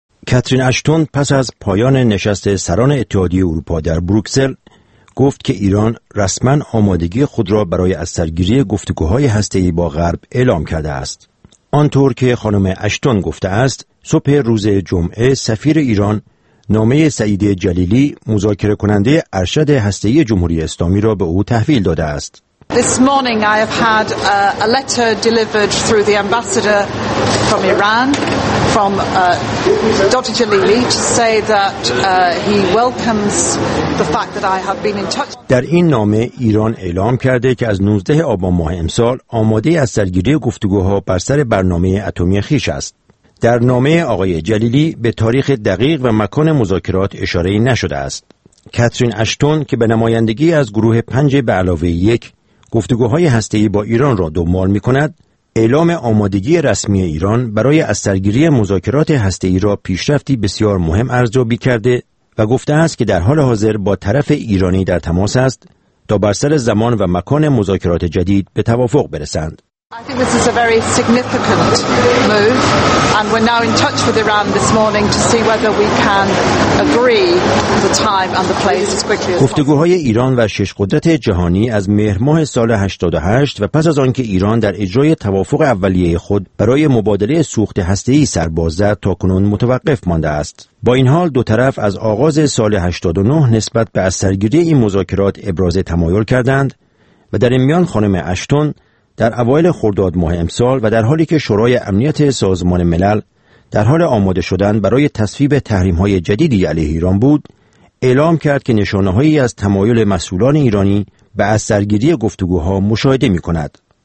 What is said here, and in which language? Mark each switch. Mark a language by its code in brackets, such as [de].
[fa] کاترین اشتون پس از پایان نشست سران اتحادیه اروپا در بروکسل گفت که ایران رسما آمادگی خود را برای از سرگیری گفتگوهای هسته‌ای با غرب اعلام کرده است. آنطور که خانم اشتون گفته است، صبح روز جمعه سفیر ایران نامه سعید جلیلی مذاکره کننده ارشد هسته‌ای جمهوری اسلامی را به او تحویل داده است. [en] This morning I have had a letter delivered through the ambassador from Iran from Dr. Jalili to say that he welcomes the fact that I have been in touch. [fa] در این نامه ایران اعلام کرده که از 19 آبان ماه امسال آماده از سرگیری گفتگوها بر سر برنامه اتمی خیش است. در نامه آقای جلیلی به تاریخ دقیق و مکان مذاکرات اشاره نشده است. کاترین اشتون که به نمایندگی از گروه 5 به علاوه 1 گفتگوهای هسته‌ای با ایران را دنبال می‌کند، اعلام آمادگی رسمی ایران برای از سرگیری مذاکرات هسته‌ای را پیشرفتی بسیار مهم ارزیابی کرده و گفته است که در حال حاضر با طرف ایرانی در تماس است تا بر سر زمان و مکان مذاکرات جدید به توافق برسند. [en] I think this is a very significant move and we're now in touch with Iran this morning to see whether we can agree the time and the place as quickly as possible. [fa] گفتگوهای ایران و شش قدرت جهانی از مهر ماه سال 88 و پس از آنکه ایران در اجرای توافق اولیه خود برای مبادله سوخت هسته‌ای سر باز زد تاکنون متوقف مانده است. با این حال دو طرف از آغاز سال 89 نسبت به سرگیری این مذاکرات ابراز تمایل کردند و در این میان خانم اشتون در اوایل خرداد ماه امسال و در حالی که شورای امنیت سازمان ملل در حال آماده شدن برای تصویب تحریم‌های جدیدی علیه ایران بود، اعلام کرد که نشانه‌هایی از تمایل مسئولان ایرانی به از سرگیری گفتگوها مشاهده می‌کند.